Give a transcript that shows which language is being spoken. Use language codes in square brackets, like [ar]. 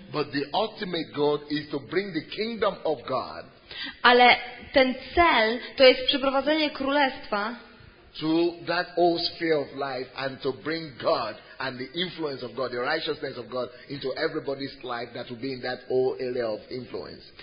[en] But the ultimate goal is to bring the kingdom of God. [pl] Ale ten cel to jest przyprowadzenie królestwa [en] to that whole sphere of life and to bring God and the influence of God, the righteousness of God into everybody's life that will be in that whole area of influence.